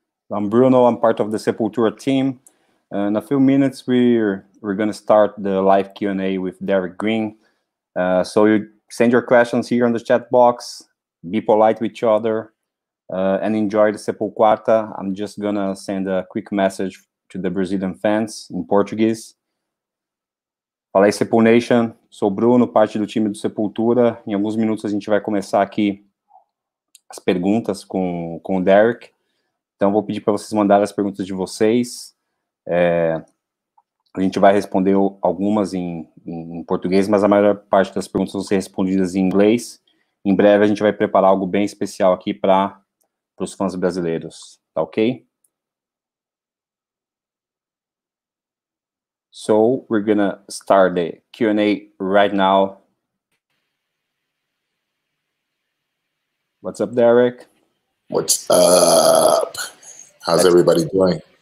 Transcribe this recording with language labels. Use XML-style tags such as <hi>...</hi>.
<en>I'm Bruno, I'm part of the Sepultura team. In a few minutes, we're gonna start the live Q&A with Derrick Green. So you send your questions here in the chat box, be polite with each other, and enjoy the SepulQUARTA. I'm just gonna send a quick message to the Brazilian fans in Portuguese.</en> <pt>Fala aí, Sepul Nation. Sou Bruno, parte do time do Sepultura. Em alguns minutos a gente vai começar aqui as perguntas com o Derrick. Então vou pedir para vocês mandarem as perguntas de vocês. A gente vai responder algumas em português, mas a maior parte das perguntas vão ser respondidas em inglês. Em breve a gente vai preparar algo bem especial aqui para os fãs brasileiros. Tá ok?</pt> <en>So we're gonna start the Q&A right now. What's up, Derrick? What's up? How's everybody doing?</en>